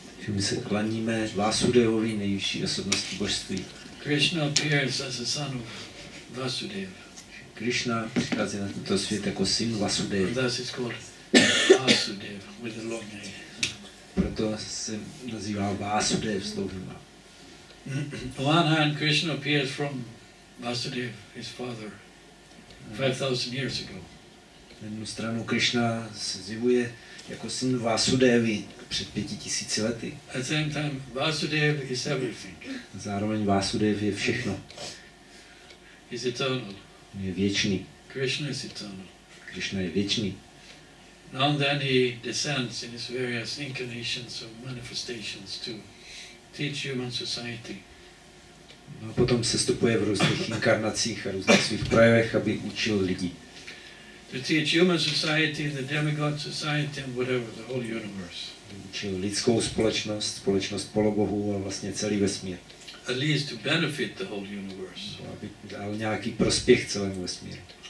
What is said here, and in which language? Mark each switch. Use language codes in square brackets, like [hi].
[cs] My se klaníme Vasudevovi, nejvyšší osobnosti božství. [en] Krishna appears as the son of Vasudeva. [cs] Krishna přichází na tento svět jako syn Vasudeva. [en] Thus it's called Vasudeva with a long name. [cs] Proto se nazývá Vasudeva s dlouhým jménem. [en] On one hand, Krishna appears from Vasudeva, his father, 5,000 years ago. [cs] Na jednu stranu Krishna se zjevuje jako syn Vasudevy před 5000 lety. [en] At the same time, Vasudev is everything. [cs] Zároveň Vasudev je všechno. [en] He's eternal. [cs] On je věčný. [en] Krishna is eternal. [cs] Krishna je věčný. [en] Now and then he descends in his various incarnations or manifestations to teach human society. [cs] No a potom se stupuje v různých inkarnacích a různých svých projevech, aby učil lidi. [en] To teach human society, the demigod society, and whatever, the whole universe. [cs] Učil lidskou společnost, společnost polobohů a vlastně celý vesmír. [en] At least to benefit the whole universe. [cs] No, aby dal nějaký prospěch celému vesmíru.